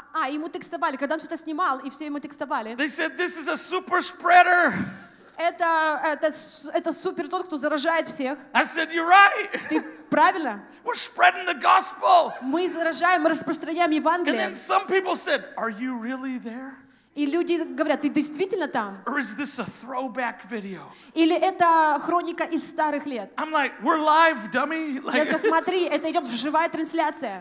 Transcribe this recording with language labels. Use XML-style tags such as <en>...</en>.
<ru>Ему текстовали, когда он что-то снимал, и все ему текстовали.</ru> <en>They said this is a super spreader.</en> <ru>Это супер тот, кто заражает всех.</ru> <en>I said, you're right.</en> <ru>Ты правильно?</ru> <en>We're spreading the gospel.</en> <ru>Мы заражаем, мы распространяем Евангелие.</ru> <en>And then some people said, are you really there?</en> <ru>И люди говорят, ты действительно там?</ru> <en>Or is this a throwback video?</en> <ru>Или это хроника из старых лет?</ru> <en>I'm like, we're live, dummy.</en> <ru>Я сказал, смотри, это идет живая трансляция.</ru>